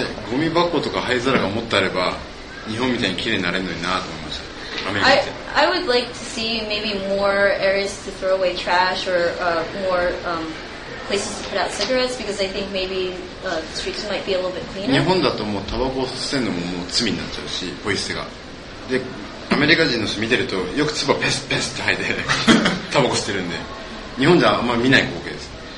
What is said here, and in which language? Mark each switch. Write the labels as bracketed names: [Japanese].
[Japanese] 俺ゴミ箱とか灰皿が持ってあれば日本みたいに綺麗になれるのになと思いました。 [English] I would like to see maybe more areas to throw away trash or more places to put out cigarettes because I think maybe the streets might be a little bit cleaner. [Japanese] 日本だともうタバコを吸ってんのももう罪になっちゃうし、ポイ捨てが。で、アメリカ人の人見てるとよく唾ペスペスって吐いてタバコ吸ってるんで、日本じゃあんまり見ない光景です。